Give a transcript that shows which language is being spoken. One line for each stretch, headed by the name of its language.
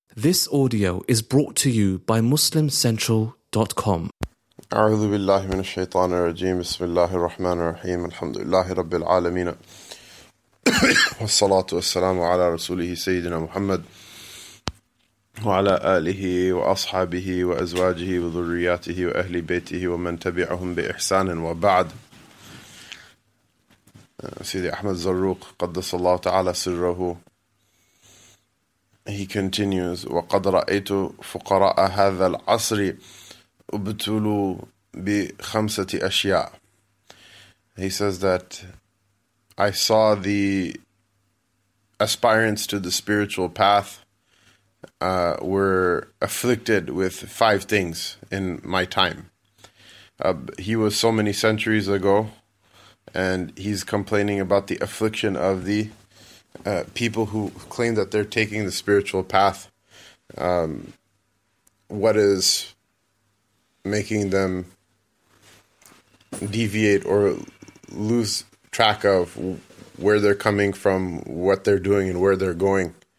English: This audio is brought to you by MuslimCentral.com.
Arabic: أعوذ بالله من الشيطان الرجيم بسم الله الرحمن الرحيم الحمد لله رب العالمين والصلاة والسلام على رسوله سيدنا محمد وعلى آله وأصحابه وأزواجه وذرياته وأهل بيته ومن تبعهم بإحسان وبعد سيدي أحمد زروق قدس الله تعالى سره.
English: He continues,
Arabic: وَقَدْ رَأَيْتُ فُقَرَاءَ هَذَا الْعَصْرِ أُبْتُلُوا بِخَمْسَةِ أَشْيَاءَ.
English: He says that I saw the aspirants to the spiritual path were afflicted with five things in my time. He was so many centuries ago, and he's complaining about the affliction of the people who claim that they're taking the spiritual path, what is making them deviate or lose track of where they're coming from, what they're doing, and where they're going.